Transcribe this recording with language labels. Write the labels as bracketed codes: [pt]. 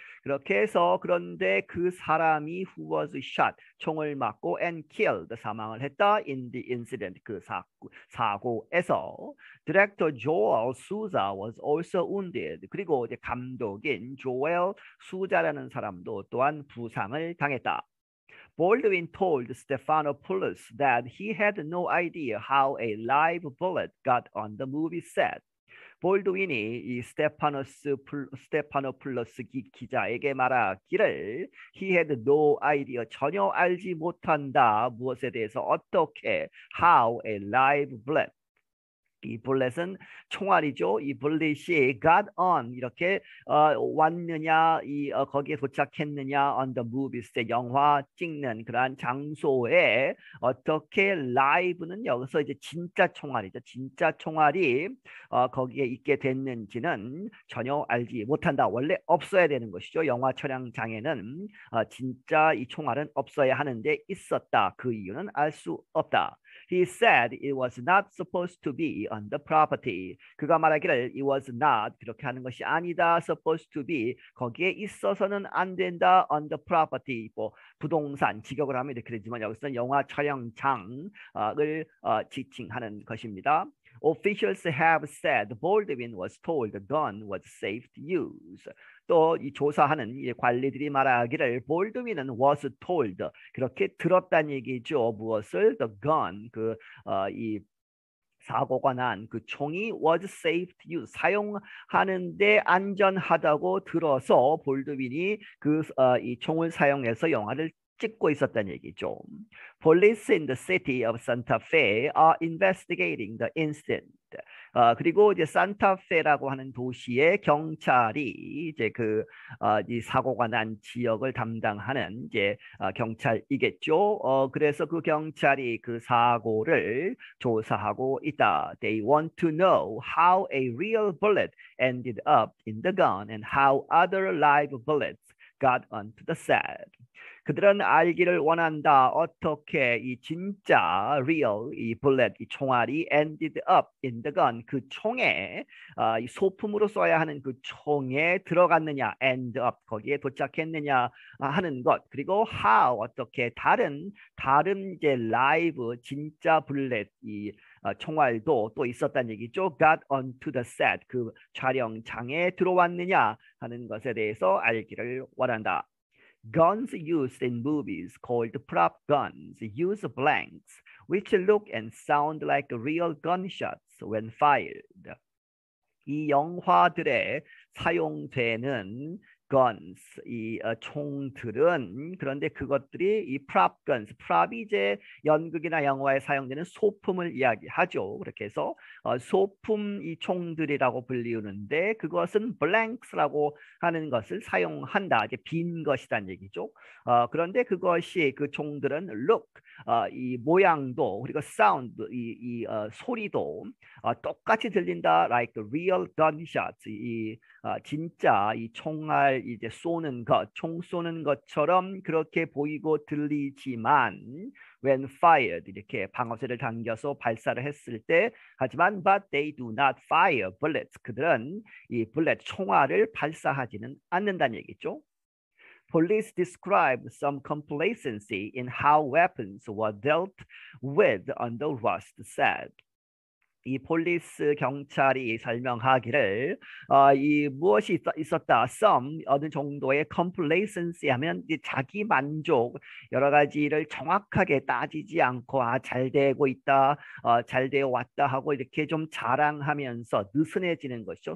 [ko] 그렇게 해서 그런 근데 그 사람이 [en] who was shot [ko] 총을 맞고 [en] and killed [ko] 사망을 했다 [en] in the incident [ko] 그 사고에서 [en] Director Joel Souza was also wounded [ko] 그리고 이제 감독인 조엘 수자라는 사람도 또한 부상을 당했다. [en] Baldwin told Stephanopoulos that he had no idea how a live bullet got on the movie set. [ko] 볼드윈이 이 스테파노플러스 기자에게 말하기를 [en] He had no idea, [ko] 전혀 알지 못한다. 무엇에 대해서 어떻게, [en] how a live bullet. [ko] 이 bullet은 총알이죠. 이 bullet이 [en] got on, [ko] 이렇게 왔느냐, 이 거기에 도착했느냐, [en] on the movies, [ko] 영화 찍는 그러한 장소에 어떻게 live는 여기서 이제 진짜 총알이죠. 진짜 총알이 거기에 있게 됐는지는 전혀 알지 못한다. 원래 없어야 되는 것이죠. 영화 촬영장에는 진짜 이 총알은 없어야 하는데 있었다. 그 이유는 알 수 없다. [en] He said it was not supposed to be on the property. [ko] 그가 말하기를 [en] it was not, [ko] 그렇게 하는 것이 아니다, [en] supposed to be, [ko] 거기에 있어서는 안 된다, [en] on the property, [ko] 뭐 부동산, 직역을 하면 이렇게 되지만 여기서는 영화 촬영장을 지칭하는 것입니다. [en] Officials have said Baldwin was told the gun was safe to use. [ko] 또 이 조사하는 이 관리들이 말하기를 볼드윈은 [en] was told, [ko] 그렇게 들었다는 얘기죠. 무엇을? [en] The gun, [ko] 그 이 사고가 난 그 총이 [en] was safe to use, [ko] 사용하는데 안전하다고 들어서 볼드윈이 그 이 총을 사용해서 영화를 찍고 있었다는 얘기죠. [en] Police in the city of Santa Fe are investigating the incident. [ko] 그리고 이제 산타페라고 하는 도시의 경찰이 이제 그 이 사고가 난 지역을 담당하는 이제 경찰이겠죠. 그래서 그 경찰이 그 사고를 조사하고 있다. [en] They want to know how a real bullet ended up in the gun and how other live bullets got onto the set. [ko] 그들은 알기를 원한다. 어떻게 이 진짜 real 이 bullet, 이 총알이 [en] ended up in the gun, [ko] 그 총에 이 소품으로 써야 하는 그 총에 들어갔느냐, [en] end up, [ko] 거기에 도착했느냐 하는 것. 그리고 how, 어떻게 다른 이제 live 진짜 bullet 이 총알도 또 있었다는 얘기죠. [en] Got onto the set, [ko] 그 촬영장에 들어왔느냐 하는 것에 대해서 알기를 원한다. [en] Guns used in movies called prop guns use blanks, which look and sound like real gunshots when fired. [ko] 이 영화들에 사용되는 guns, 이 총들은, 그런데 그것들이 이 prop guns, prop이 이제 연극이나 영화에 사용되는 소품을 이야기하죠. 그렇게 해서 소품 이 총들이라고 불리우는데 그것은 blanks라고 하는 것을 사용한다. 이제 빈 것이란 얘기죠. 그런데 그것이 그 총들은 look, 이 모양도 그리고 sound, 이 소리도 똑같이 들린다. [en] Like real gunshots, [ko] 진짜 이 총알 이제 쏘는 것, 총 쏘는 것처럼 그렇게 보이고 들리지만 [en] when fired, [ko] 이렇게 방아쇠를 당겨서 발사를 했을 때, 하지만 [en] but they do not fire bullets, [ko] 그들은 이 bullet 총알을 발사하지는 않는다는 얘기죠. [en] Police described some complacency in how weapons were dealt with on the rust set. [ko] 이 폴리스 경찰이 설명하기를 이 무엇이 있었다. Some, 어느 정도의 complacency 하면 이제 자기 만족, 여러 가지를 정확하게 따지지 않고 아, 잘 되고 있다, 잘 되어 왔다 하고 이렇게 좀 자랑하면서 느슨해지는 것이죠.